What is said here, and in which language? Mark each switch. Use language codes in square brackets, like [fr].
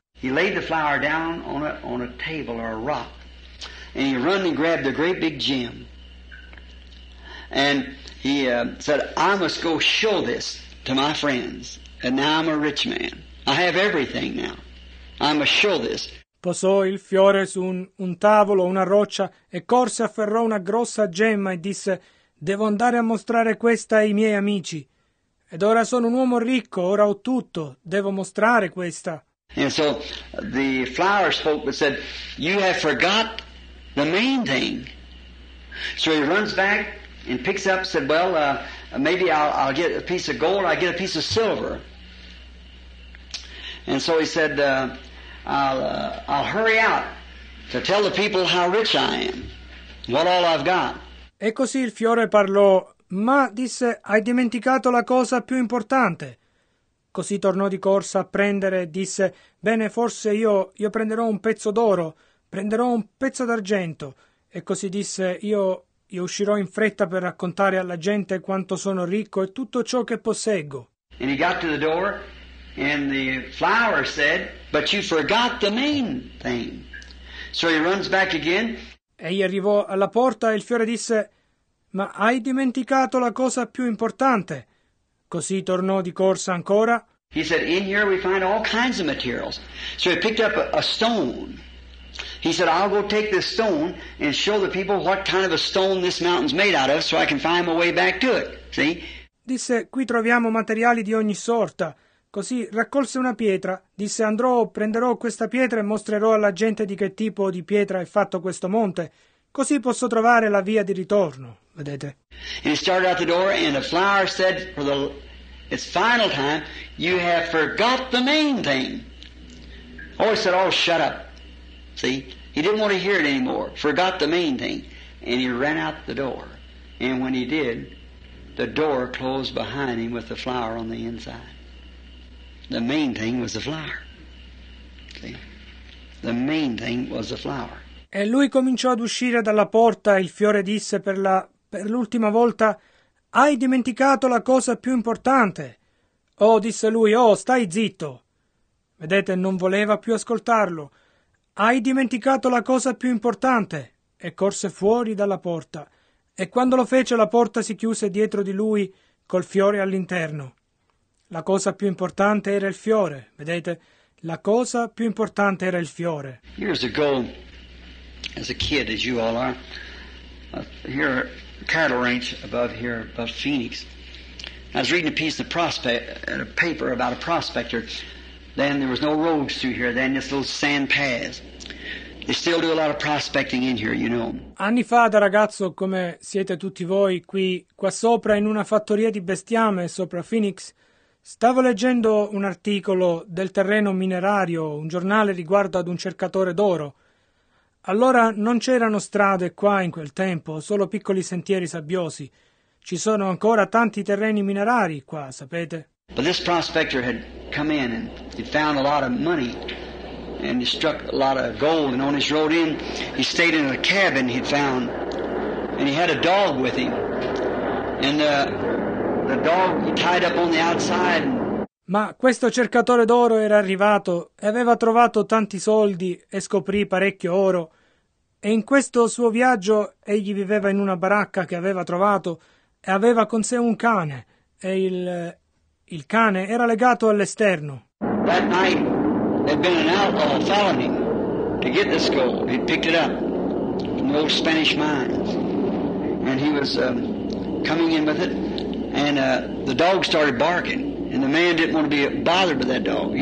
[en] He laid the flower down on a table or a rock, and he ran and grabbed a great big gem. And he said, "I must go show this to my friends. And now I'm a rich man. I have everything now. I must show this." [it] Posò il fiore su un tavolo, una roccia, e corse, afferrò una grossa gemma e disse, devo andare a mostrare questa ai miei amici. Ed ora sono un uomo ricco, ora ho tutto, devo mostrare questa. [en] And so the flower spoke and said, you have forgot the main thing. So he runs back and picks up, said, well, maybe I'll get a piece of gold, I'll get a piece of silver. And so he said, I'll hurry out to tell the people how rich I am, what all I've got. [it] E così il fiore parlò, ma disse, hai dimenticato la cosa più importante. Così tornò di corsa a prendere, disse, bene, forse io prenderò un pezzo d'oro, prenderò un pezzo d'argento. E così disse, io uscirò in fretta per raccontare alla gente quanto sono ricco e tutto ciò che posseggo. [en] And he got to the door, And the flower said, but you forgot the main thing. So he runs back again. [it] Egli arrivò alla porta e il fiore disse, ma hai dimenticato la cosa più importante. Così tornò di corsa ancora. [en] He said, in here we find all kinds of materials. So he picked up a stone. He said, I'll go take this stone and show the people what kind of a stone this mountain's made out of so I can find my way back to it. See? [it] Disse, qui troviamo materiali di ogni sorta. Così raccolse una pietra. Disse, andrò, prenderò questa pietra e mostrerò alla gente di che tipo di pietra è fatto questo monte. Così posso trovare la via di ritorno. Vedete? [en] And he started out the door and the flower said, for the it's final time, you have forgot the main thing. Oh, he said, oh, shut up. See, he didn't want to hear it anymore, forgot the main thing, and he ran out the door. And when he did, the door closed behind him with the flower on the inside. The main thing was the flower. See, the main thing was the flower. [it] E lui cominciò ad uscire dalla porta, il fiore disse per l'ultima volta, hai dimenticato la cosa più importante. Oh, disse lui, oh, stai zitto. Vedete, non voleva più ascoltarlo. Hai dimenticato la cosa più importante, e corse fuori dalla porta, e quando lo fece la porta si chiuse dietro di lui col fiore all'interno. La cosa più importante era il fiore, vedete? La cosa più importante era il fiore. [en] Years ago, as a kid, as you all are, here at a cattle ranch above here, above Phoenix, I was reading a piece of prospect, a paper about a prospector. Then there was no roads through here, then this little sand paths. They still do a lot of prospecting in here, you know. [it] Anni fa, da ragazzo, come siete tutti voi, qui, qua sopra, in una fattoria di bestiame, sopra Phoenix, stavo leggendo un articolo del terreno minerario, un giornale riguardo ad un cercatore d'oro. Allora non c'erano strade qua in quel tempo, solo piccoli sentieri sabbiosi. Ci sono ancora tanti terreni minerari qua, sapete? [en] But this prospector had come in and he found a lot of money and he struck a lot of gold, and on his road in he stayed in a cabin he'd found, and he had a dog with him, and the dog he tied up on the outside. [it] Ma questo cercatore d'oro era arrivato e aveva trovato tanti soldi e scoprì parecchio oro, e in questo suo viaggio egli viveva in una baracca che aveva trovato e aveva con sé un cane, e il cane era legato all'esterno. [en] That night had been an outlaw following him to get this gold. He picked it up from the old Spanish mines, and he was coming in with it, and the dog started barking, and the man didn't want to be bothered by that dog.